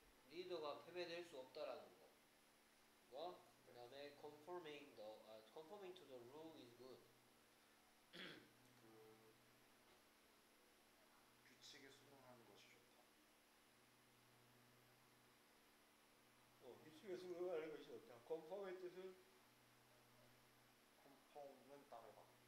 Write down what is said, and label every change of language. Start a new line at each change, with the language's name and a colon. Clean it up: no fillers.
Korean: 리더가 패배될 수 없다라는 거. 뭐? 그다음에
English: conforming the conforming to the rule is good.
Korean: 그 규칙에 순응하는 것이 좋다. 어, 규칙에 순응하는 것이 좋다. conform의 뜻은 conform은 따르다.